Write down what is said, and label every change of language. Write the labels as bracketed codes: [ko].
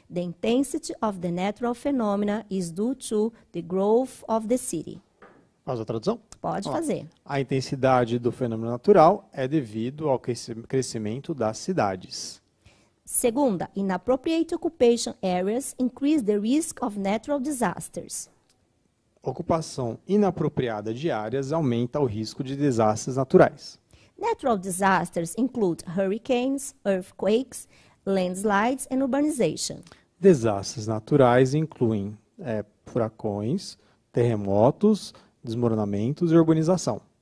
[en] The intensity of the natural phenomena is due to the growth of the city. [pt] Faz a tradução? Pode fazer. A intensidade do fenômeno natural é devido ao crescimento das cidades. Segunda. [en] Inappropriate occupation areas increase the risk of natural disasters. [pt] Ocupação inapropriada de áreas aumenta o risco de desastres naturais. [en] Natural disasters include hurricanes, earthquakes, landslides and urbanization. [pt] Desastres naturais incluem furacões, terremotos, desmoronamentos e urbanização.